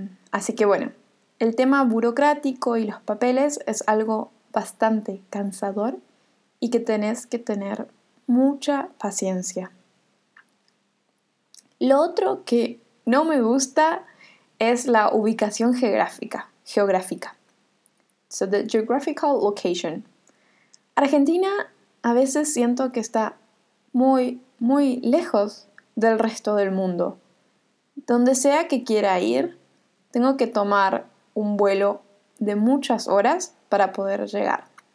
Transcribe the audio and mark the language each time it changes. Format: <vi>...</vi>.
<es>Así que bueno, el tema burocrático y los papeles es algo bastante cansador y que tenés que tener mucha paciencia. Lo otro que no me gusta es la ubicación geográfica.</es> <en>So the geographical location.</en> <es>Argentina a veces siento que está muy, muy lejos del resto del mundo. Donde sea que quiera ir, tengo que tomar un vuelo de muchas horas para poder llegar.</es>